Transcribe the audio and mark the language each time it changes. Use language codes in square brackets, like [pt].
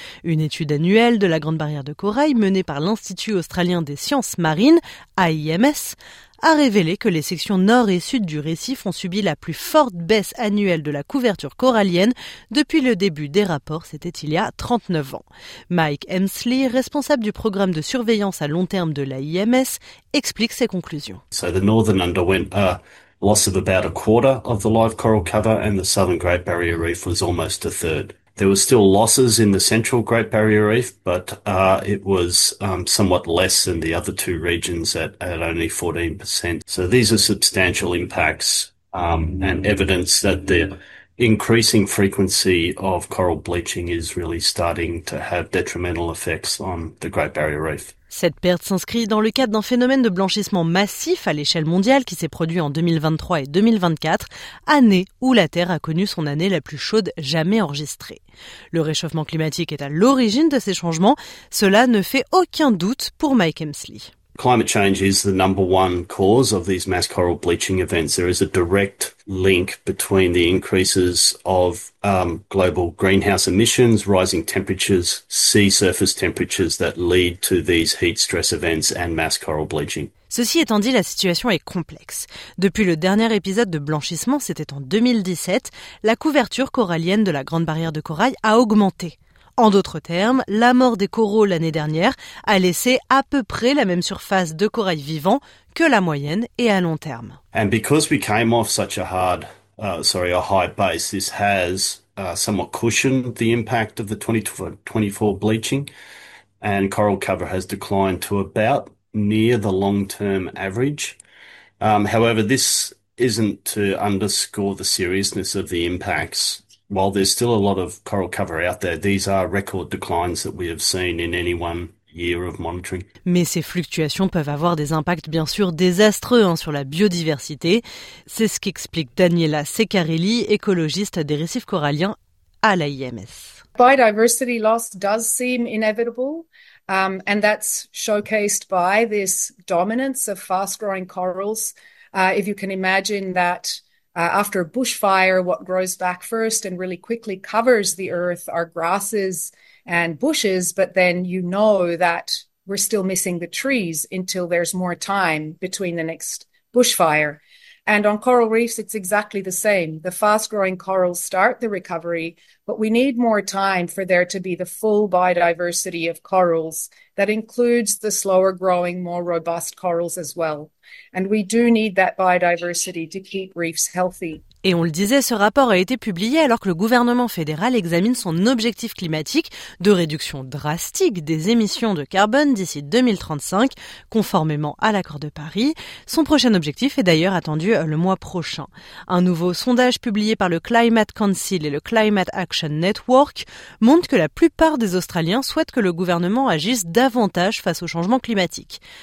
[fr] Une étude annuelle de la Grande Barrière de Corail menée par l'Institut australien des sciences marines, AIMS, a révélé que les sections nord et sud du récif ont subi la plus forte baisse annuelle de la couverture corallienne depuis le début des rapports, c'était il y a 39 ans. Mike Hemsley, responsable du programme de surveillance à long terme de l'AIMS, explique ses conclusions. [en] So the northern underwent a loss of about a quarter of the live coral cover and the southern Great Barrier Reef was almost a third. There were still losses in the central Great Barrier Reef, but it was somewhat less than the other two regions at only 14%. So these are substantial impacts and evidence that the increasing frequency of coral bleaching is really starting to have detrimental effects on the Great Barrier Reef. [fr] Cette perte s'inscrit dans le cadre d'un phénomène de blanchissement massif à l'échelle mondiale qui s'est produit en 2023 et 2024, année où la Terre a connu son année la plus chaude jamais enregistrée. Le réchauffement climatique est à l'origine de ces changements, cela ne fait aucun doute pour Mike Hemsley. [en] Climate change is the number one cause of these mass coral bleaching events. There is a direct link between the increases of global greenhouse emissions, rising temperatures, sea surface temperatures that lead to these heat stress events and mass coral bleaching. [fr] Ceci étant dit, la situation est complexe. Depuis le dernier épisode de blanchissement, c'était en 2017, la couverture corallienne de la Grande Barrière de Corail a augmenté. En d'autres termes, la mort des coraux l'année dernière a laissé à peu près la même surface de corail vivant que la moyenne et à long terme. [en] And because we came off such a high base, this has somewhat cushioned the impact of the 2024 bleaching, and coral cover has declined to about near the long-term average. However, this isn't to underscore the seriousness of the impacts. While there's still a lot of coral cover out there, these are record declines that we have seen in any one year of monitoring. [fr] Mais ces fluctuations peuvent avoir des impacts bien sûr désastreux sur la biodiversité. C'est ce qu'explique Daniela Ceccarelli, écologiste des récifs coralliens à l'AIMS. [en] Biodiversity loss does seem inevitable, and that's showcased by this dominance of fast-growing corals. If you can imagine that after a bushfire, what grows back first and really quickly covers the earth are grasses and bushes, but then you know that we're still missing the trees until there's more time between the next bushfire. And on coral reefs, it's exactly the same. The fast-growing corals start the recovery, but we need more time for there to be the full biodiversity of corals that includes the slower-growing, more robust corals as well. And we do need that biodiversity to keep reefs healthy. [fr] Et on le disait, ce rapport a été publié alors que le gouvernement fédéral examine son objectif climatique de réduction drastique des émissions de carbone d'ici 2035, conformément à l'accord de Paris. Son prochain objectif est d'ailleurs attendu le mois prochain. Un nouveau sondage publié par le Climate Council et le Climate Action Network montre que la plupart des Australiens souhaitent que le gouvernement agisse davantage face au changement climatique.